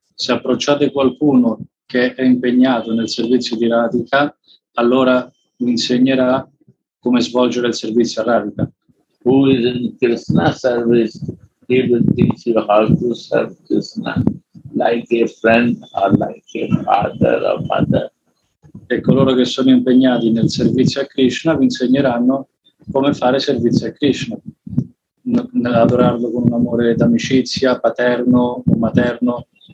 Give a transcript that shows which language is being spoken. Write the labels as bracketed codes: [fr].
[it] Se approcciate qualcuno che è impegnato nel servizio di Radhika, allora vi insegnerà come svolgere il servizio a Radhika. [en] Who is in Krishna service, he will teach you how to serve Krishna like a friend or like a father or mother. [it] E coloro che sono impegnati nel servizio a Krishna vi insegneranno come fare servizio a Krishna, adorarlo con un amore d'amicizia, paterno o materno.